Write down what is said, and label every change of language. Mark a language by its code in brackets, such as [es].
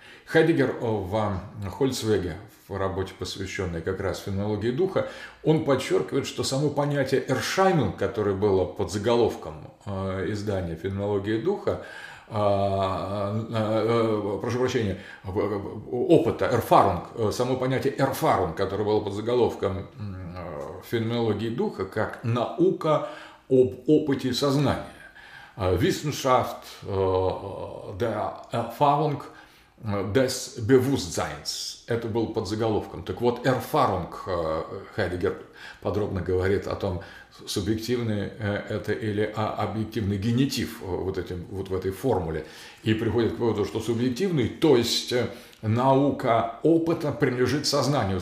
[ru] Хайдеггер в Хольцвеге, в работе, посвященной как раз феноменологии духа, он подчеркивает, что само понятие «эршайнинг», которое было под заголовком издания «Феноменологии духа», прошу прощения, опыта, эрфарунг, само понятие эрфарунг, которое было под заголовком феноменологии духа как наука об опыте сознания. [de] Wissenschaft der Erfahrung des Bewusstseins. [ru] Это был под заголовком. Так вот, Erfahrung, Хайдеггер подробно говорит о том, субъективный это или объективный генитив вот, этим, вот в этой формуле. И приходит к выводу, что субъективный, то есть наука опыта принадлежит сознанию.